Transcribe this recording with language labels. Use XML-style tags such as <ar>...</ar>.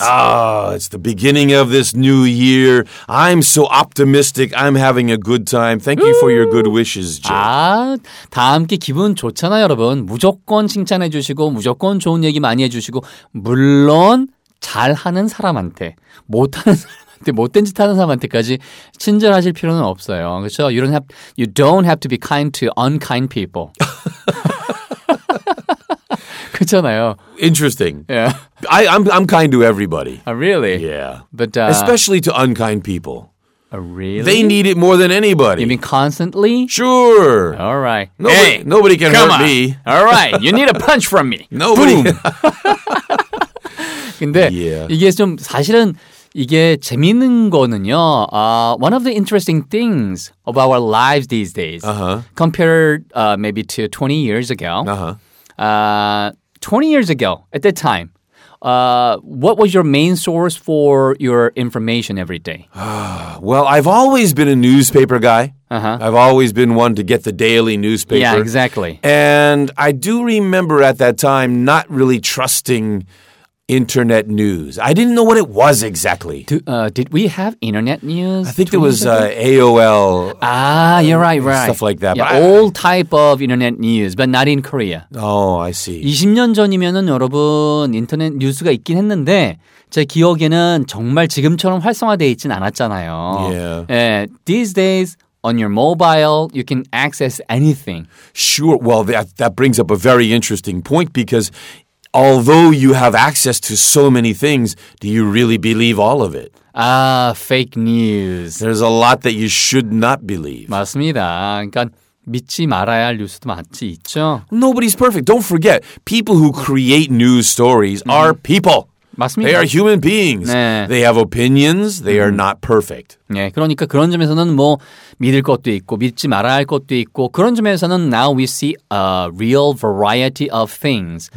<en>Ah, it's the beginning of this new year. I'm so optimistic. I'm having a good time. Thank you for your good wishes, Jay.</en> <ko>아, 다 함께 기분 좋잖아요, 여러분. 무조건 칭찬해 주시고 무조건 좋은 얘기 많이 해 주시고 물론 잘하는 사람한테 못하는 사람한테 못된 짓 하는 사람한테까지 친절하실 필요는 없어요. 그렇죠?</ko> <en>You don't have to be kind to unkind people.</en> <ko>그렇잖아요.</ko> <en>Interesting. Yeah. I'm kind to everybody. Really? Yeah. But especially to unkind people. Really? They need it more than anybody. You mean constantly? Sure. All right. Nobody can come hurt on. Me. All right. You need a punch from me. Nobody. Boom.</en> <ko>근데</ko> <en>yeah.</en> <ko>이게 좀 사실은 이게 재밌는 거는요.</ko> <en>One of the interesting things about our lives these days, uh-huh. compared maybe to 20 years ago. Uh-huh. 20 years ago, at that time, what was your main source for your information every day? Well, I've always been a newspaper guy. Uh-huh. I've always been one to get the daily newspaper. Yeah, exactly. And I do remember at that time not really trusting internet news. I didn't know what it was exactly. Did we have internet news? I think there was AOL. Ah, you're right, right. Stuff like that. Yeah, old type of internet news, but not in Korea. Oh, I see.</en> <ko>20년 전이면은 여러분 인터넷 뉴스가 있긴 했는데 제 기억에는 정말 지금처럼 활성화되어 있진 않았잖아요.</ko> <en>Yeah. Yeah, these days, on your mobile, you can access anything. Sure. Well, that brings up a very interesting point because although you have access to so many things, do you really believe all of it? Ah, fake news. There's a lot that you should not believe.</en> <ko>맞습니다. 그러니까 믿지 말아야 할 뉴스도 많지 있죠.</ko> <en>Nobody's perfect. Don't forget, people who create news stories are people.</en> <ko>맞습니다.</ko> <en>They are human beings.</en> <ko>네.</ko> <en>They have opinions. They are not perfect.</en> <ko>네, 그러니까 그런 점에서는 뭐 믿을 것도 있고 믿지 말아야 할 것도 있고 그런 점에서는</ko> <en>now we see a real variety of things</en>